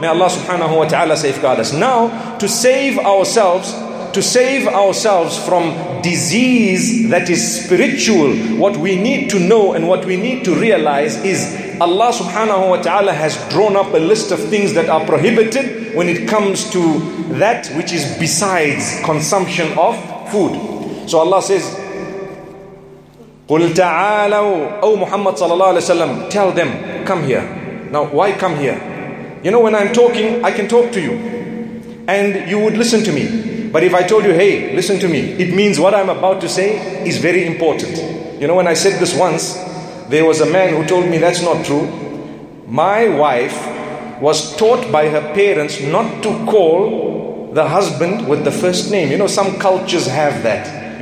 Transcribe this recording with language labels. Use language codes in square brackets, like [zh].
[en] May Allah subhanahu wa ta'ala safeguard us. Now, to save ourselves from disease that is spiritual, what we need to know and what we need to realize is Allah subhanahu wa ta'ala has drawn up a list of things that are prohibited when it comes to that which is besides consumption of food. [ar] So Allah says, قُلْ تَعَالَوْا أَوْ مُحَمَّدْ صَلَى اللَّهُ عَلَيْهِ وَسَلَّمْ. [en] Tell them, come here. Now, why come here? You know, when I'm talking, I can talk to you and you would listen to me. But if I told you, hey, listen to me, it means what I'm about to say is very important. You know, when I said this once, there was a man who told me that's not true. My wife was taught by her parents not to call the husband with the first name. You know, some cultures have that.